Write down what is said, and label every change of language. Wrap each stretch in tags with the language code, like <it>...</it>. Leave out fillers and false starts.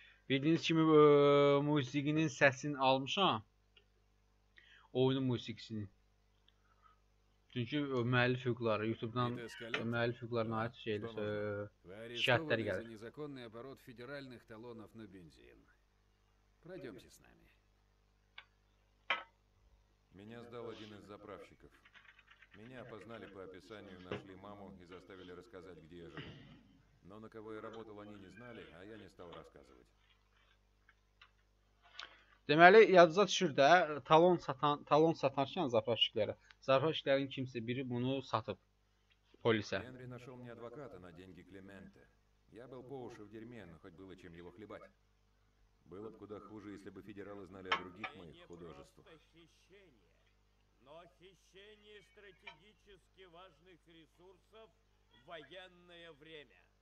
<az>Bildiyiniz kimi musiqinin səsini almışam. Oyunun musiqisini. Çünki müəllif hüquqları YouTube-dan müəllif hüquqlarına aid şeylər şikayətlər gəlir.</az> <ru>Незаконный оборот федеральных талонов на бензин. Пройдемте с нами. Меня сдал один из заправщиков. Меня опознали по описанию, нашли маму и заставили рассказать, где я живу. Но на кого я работал, они не знали, а я не стал рассказывать.</ru> <az>Deməli, yadınıza düşür də, talon satarkən zapraşıqlərə. Zapraşıqların kimsə biri bunu satıb polisə.</az> <ru>Henry нашел мне адвоката на деньги Клементе. Я был по уши в дерьме, но хоть было чем его хлебать. Было бы куда хуже, если бы федералы знали о других моих художествах. Хищение, но хищение стратегически важных ресурсов в военное время.</ru>